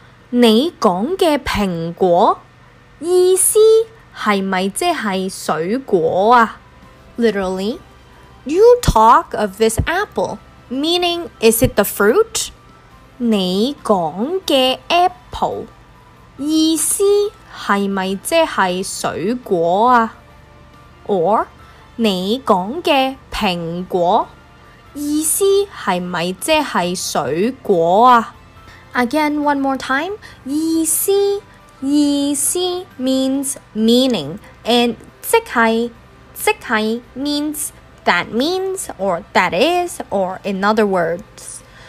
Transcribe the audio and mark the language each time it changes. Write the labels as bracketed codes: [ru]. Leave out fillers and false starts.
[yue] 你讲嘅苹果意思系咪即系水果啊 [en] ？Literally, you talk of this apple, meaning is it the fruit? [yue] 你讲嘅 apple 意思系咪即系水果啊 [en] ？Or [yue] 你讲嘅苹果意思系咪即系水果啊 [en] ？Again, one more time. 意思 means meaning, and 即系 means that means or that is or in other words,